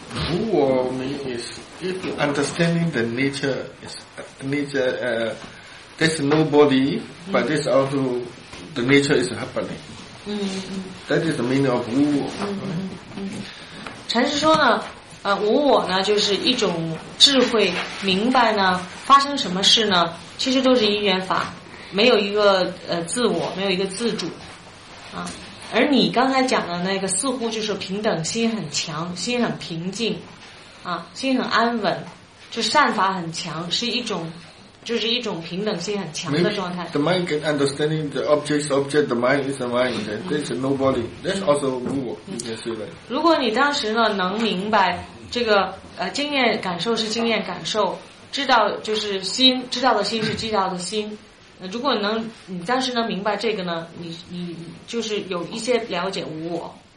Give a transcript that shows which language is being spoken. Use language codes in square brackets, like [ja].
[en] 无我 means if you understanding the nature, there's nobody, but this also the nature is happening. That is the meaning of 无我。 [zh] 禅师说呢，无我呢就是一种智慧，明白呢发生什么事呢，其实都是因缘法，没有一个自我，没有一个自主，啊。而你刚才讲的那个似乎就是平等心很强，心很平静，啊，心很安稳，就善法很强，是一种。就是一种平等性很强的状态。 [en] The mind can understanding the object, the mind is a mind, there's nobody, that's also 无我。 [zh] 如果你当时呢能明白这个经验感受是经验感受，知道就是心，知道的心是知道的心。如果你当时能明白这个呢，你就是有一些了解无我。